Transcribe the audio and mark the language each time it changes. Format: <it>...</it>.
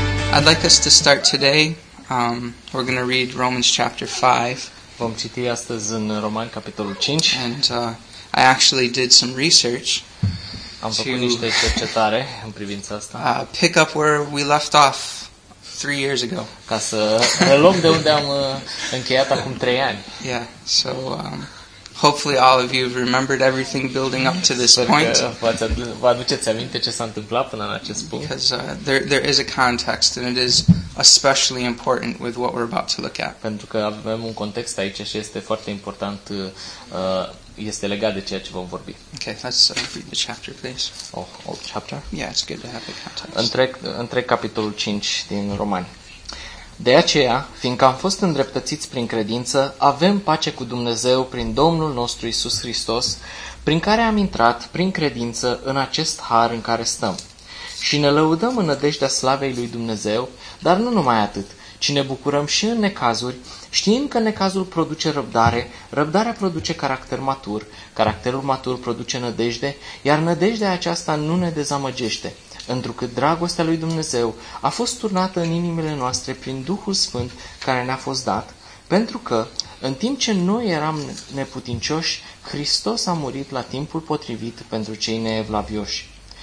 <en>I'd like us to start today. We're going to read Romans chapter 5.</en> <ro>Vom citi astăzi în Roman capitolul 5.</ro> <en>And I actually did some research.</en> <ro>Am făcut niște cercetare în privința asta.</ro> <en>Pick up where we left off 3 years ago.</en> <ro>Ca să reluăm de unde am încheiat acum 3 ani.</ro> <en>Yeah. So hopefully all of you have remembered everything building up to this point.</en> <ro>Vă aduceți aminte ce s-a întâmplat până la acest punct?</ro> <en>Because there is a context and it is especially important with what we're about to look at.</en> <ro>Pentru că avem un context aici și este foarte important, este legat de ceea ce vom vorbi.</ro> <en>Okay, let's read the chapter, please. Old chapter? Yeah, it's good to have the context.</en> <ro>Întreg capitolul 5 din Romani. De aceea, fiindcă am fost îndreptățiți prin credință, avem pace cu Dumnezeu prin Domnul nostru Iisus Hristos, prin care am intrat prin credință în acest har în care stăm. Și ne lăudăm în nădejdea slavei lui Dumnezeu, dar nu numai atât, ci ne bucurăm și în necazuri, știind că necazul produce răbdare, răbdarea produce caracter matur, caracterul matur produce nădejde, iar nădejdea aceasta nu ne dezamăgește, întrucât dragostea lui Dumnezeu a fost turnată în inimile noastre prin Duhul Sfânt care ne-a fost dat, pentru că, în timp ce noi eram neputincioși, Hristos a murit la timpul potrivit pentru cei neevlavioși.</ro>